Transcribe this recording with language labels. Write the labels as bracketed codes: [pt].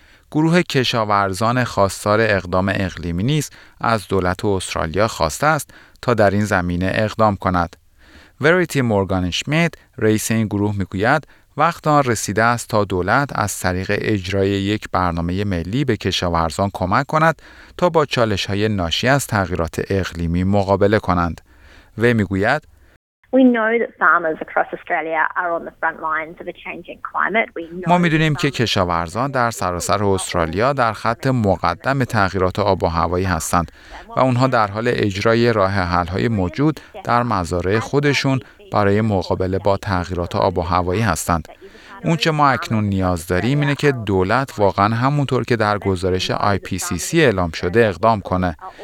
[fa] گروه کشاورزان خواستار اقدام اقلیمی نیز از دولت استرالیا خواسته است تا در این زمینه اقدام کند. وریتی مورگان شمیت رئیس این گروه می گوید وقت آن رسیده است تا دولت از طریق اجرای یک برنامه ملی به کشاورزان کمک کند تا با چالش‌های ناشی از تغییرات اقلیمی مقابله کنند. وی می‌گوید: [en] We know that farmers across Australia are on the front lines of a changing climate. We know [fa] ما می‌دونیم که کشاورزان در سراسر استرالیا در خط مقدم تغییرات آب و هوایی هستند و اونها در حال اجرای راه حل‌های موجود در مزارع خودشون برای مقابله با تغییرات آب و هوایی هستند. اون چه ما اکنون نیاز داریم اینه که دولت واقعا همونطور که در گزارش IPCC اعلام شده اقدام کنه.